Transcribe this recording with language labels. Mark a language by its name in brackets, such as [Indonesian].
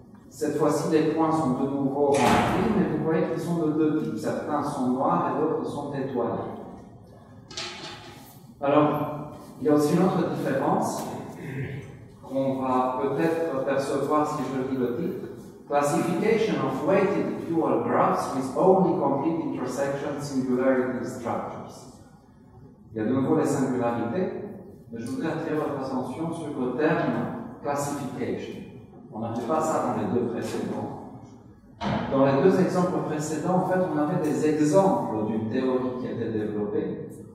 [French] Cette fois-ci, les points sont de nouveau remplis, mais vous voyez qu'ils sont de deux types. Certains sont noirs et d'autres sont étoilés. Alors, il y a aussi une autre différence. On va peut-être percevoir si je lis le titre. [English] Classification of weighted dual graphs with only complete intersection singularity structures. [French] Il y a de nouveau les singularités, mais je voudrais attirer votre attention sur le terme classification. On n'avait pas ça dans les deux précédents. Dans les deux exemples précédents, en fait, on avait des exemples d'une théorie qui était développée.